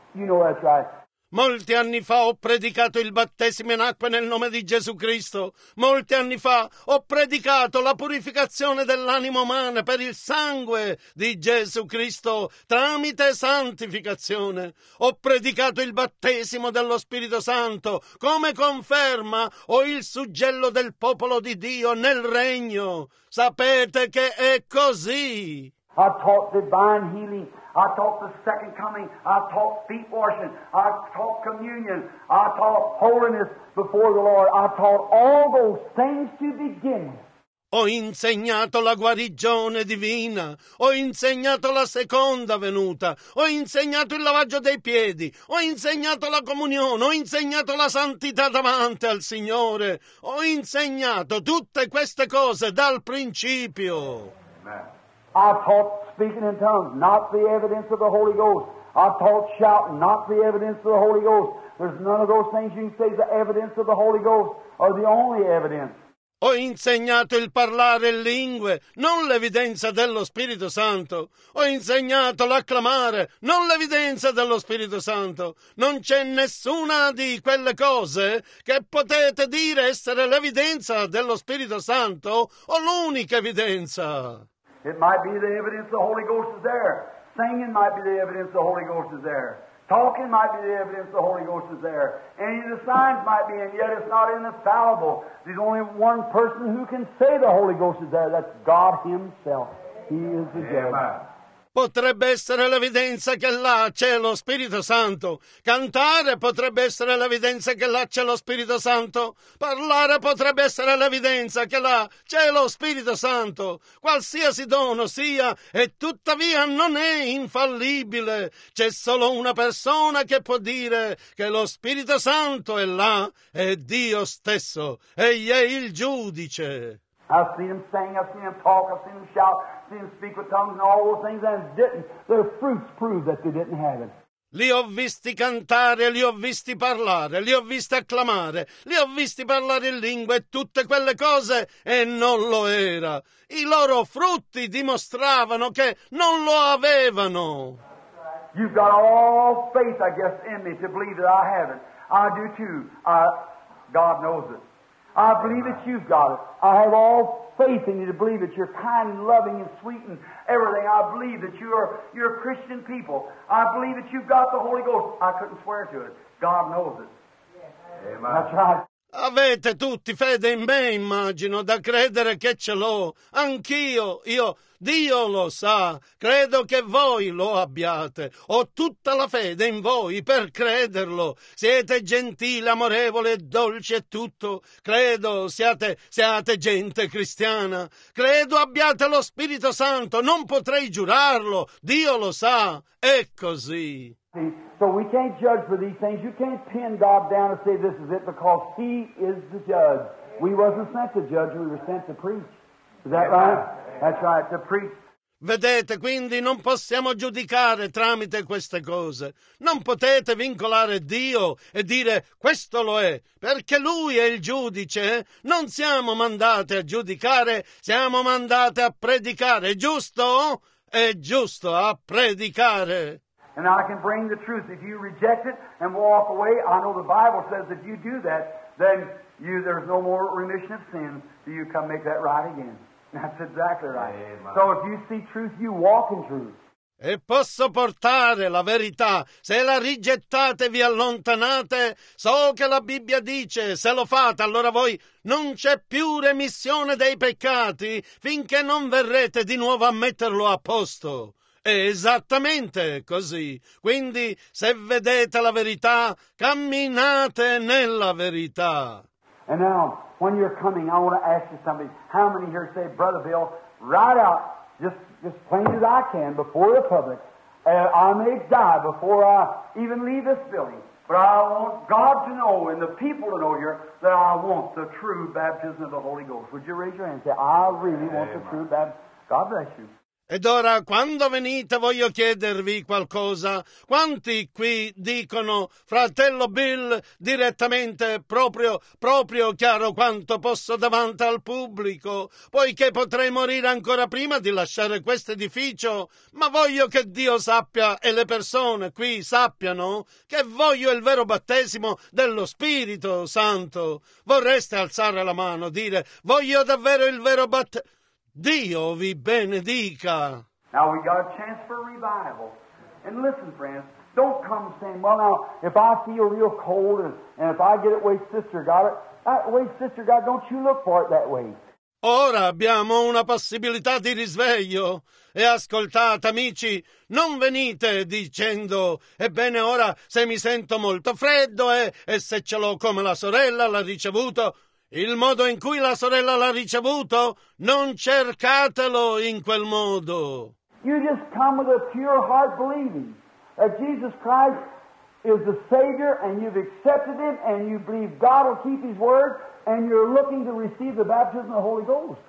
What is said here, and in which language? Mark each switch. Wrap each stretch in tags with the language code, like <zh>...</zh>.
<en>You know that's right.</en> <it>Molti anni fa ho predicato il battesimo in acqua nel nome di Gesù Cristo. Molti anni fa ho predicato la purificazione dell'anima umana per il sangue di Gesù Cristo tramite santificazione. Ho predicato il battesimo dello Spirito Santo. Come conferma ho il suggello del popolo di Dio nel regno. Sapete che è così.</it> <en>I taught divine healing. I taught the second coming. I taught feet washing. I taught communion. I taught holiness before the Lord. I taught all those things to begin.</en> <it>Ho insegnato la guarigione divina, ho insegnato la seconda venuta, ho insegnato il lavaggio dei piedi, ho insegnato la comunione, ho insegnato la santità davanti al Signore. Ho insegnato tutte queste cose dal principio.</it> <en>I taught speaking in tongues, not the evidence of the Holy Ghost. I taught shouting, not the evidence of the Holy Ghost. There's none of those things you can say the evidence of the Holy Ghost are the only evidence.</en> <it>Ho insegnato il parlare in lingue, non l'evidenza dello Spirito Santo. Ho insegnato l'acclamare, non l'evidenza dello Spirito Santo. Non c'è nessuna di quelle cose che potete dire essere l'evidenza dello Spirito Santo o l'unica evidenza.</it> <en>It might be the evidence the Holy Ghost is there. Singing might be the evidence the Holy Ghost is there. Talking might be the evidence the Holy Ghost is there. Any of the signs might be, and yet it's not infallible. There's only one person who can say the Holy Ghost is there. That's God Himself. He is the judge. Amen.</en> <it>Potrebbe essere l'evidenza che là c'è lo Spirito Santo. Cantare potrebbe essere l'evidenza che là c'è lo Spirito Santo. Parlare potrebbe essere l'evidenza che là c'è lo Spirito Santo. Qualsiasi dono sia, e tuttavia non è infallibile. C'è solo una persona che può dire che lo Spirito Santo è là, è Dio stesso. Egli è il giudice.</it> <en>I've seen him sing, I've seen him talk, I've seen him shout, I've seen him speak with tongues and all those things, and didn't. Their fruits prove that they didn't have it.</en> <it>Li ho visti cantare, li ho visti parlare, li ho visti acclamare, li ho visti parlare in lingua e tutte quelle cose, e non lo era. I loro frutti dimostravano che non lo avevano.</it> <en>You've got all faith, I guess, in me to believe that I have it. I do too. God knows it. I believe that you've got it. I have all faith in you to believe that you're kind and loving and sweet and everything. I believe that you're Christian people. I believe that you've got the Holy Ghost. I couldn't swear to it. God knows it. Amen. That's right.</en> <it>Avete tutti fede in me, immagino, da credere che ce l'ho. Anch'io, io, Dio lo sa, credo che voi lo abbiate. Ho tutta la fede in voi per crederlo. Siete gentili, amorevoli, dolci e tutto. Credo siate gente cristiana. Credo abbiate lo Spirito Santo, non potrei giurarlo. Dio lo sa, è così.</it> <en>So we can't judge for these things. You can't pin God down and say this is it because He is the judge. We wasn't sent to judge, we were sent to preach. Is that right? That's right, to preach.</en> <it>Vedete, quindi non possiamo giudicare tramite queste cose. Non potete vincolare Dio e dire questo lo è, perché Lui è il giudice. Non siamo mandati a giudicare, siamo mandati a predicare, giusto? È giusto a predicare.</it> <en>And I can bring the truth. If you reject it and walk away, I know the Bible says if you do that, then you there's no more remission of sin. Do you come make that right again? That's exactly right. Amen. So if you see truth, you walk in truth.</en> <it>E posso portare la verità. Se la rigettate, vi allontanate. So che la Bibbia dice, se lo fate, allora voi non c'è più remissione dei peccati finché non verrete di nuovo a metterlo a posto. È esattamente così. Quindi, se vedete la verità, camminate nella verità.</it> <en>And now, when you're coming, I want to ask you something. How many here say, Brother Bill, right out, just plain as I can, before the public, I may die before I even leave this building. But I want God to know and the people to know here that I want the true baptism of the Holy Ghost. Would you raise your hand and say, I really Amen. Want the true baptism? God bless you.</en> <it>Ed ora, quando venite, voglio chiedervi qualcosa. Quanti qui dicono, fratello Bill, direttamente, proprio chiaro quanto posso davanti al pubblico, poiché potrei morire ancora prima di lasciare questo edificio, ma voglio che Dio sappia e le persone qui sappiano che voglio il vero battesimo dello Spirito Santo. Vorreste alzare la mano, dire, voglio davvero il vero battesimo? Dio vi benedica.</it> <en>Now we got a chance for a revival. And listen, friends, don't come saying, well, now, if I feel real cold and if I get it way sister got it, that way sister got it, don't you look for it that way.</en> <it>Ora abbiamo una possibilità di risveglio. E ascoltate, amici, non venite dicendo, ebbene ora, se mi sento molto freddo e se ce l'ho come la sorella, l'ha ricevuto... Il modo in cui la sorella l'ha ricevuto, non cercatelo in quel modo.</it> <en>You just come with a pure heart believing that Jesus Christ is the Savior and you've accepted Him and you believe God will keep His word and you're looking to receive the baptism of the Holy Ghost.</en>